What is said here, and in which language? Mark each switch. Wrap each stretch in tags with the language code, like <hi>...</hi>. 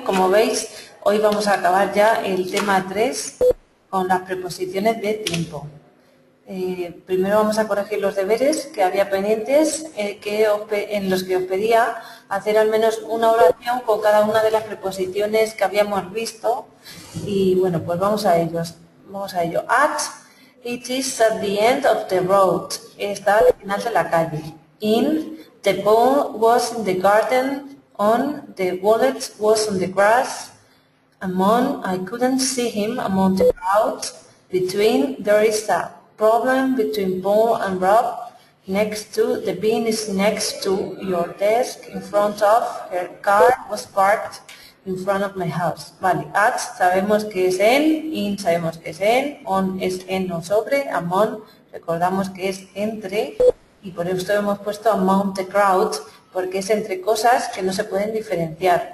<es>Como veis, hoy vamos a acabar ya el tema 3 con las preposiciones de tiempo. Primero vamos a corregir los deberes que había pendientes, en los que os pedía hacer al menos una oración con cada una de las preposiciones que habíamos visto. Y bueno, pues vamos a ellos. Vamos a ello.</es> <en>It is at the end of the road.</en> <es>Está al final de la calle.</es> <en>In, the pond was in the garden. On, the bullet was on the grass. Among, I couldn't see him among the crowd. Between, there is a problem between Paul and Rob. Next to, the bin is next to your desk. In front of, her car was parked in front of my house.</en> <es>Vale, at sabemos que es en, in sabemos que es en, on es en o sobre, among recordamos que es entre, y por eso hemos puesto</es> <en>among the crowd,</en> <es>porque es entre cosas que no se pueden diferenciar.</es>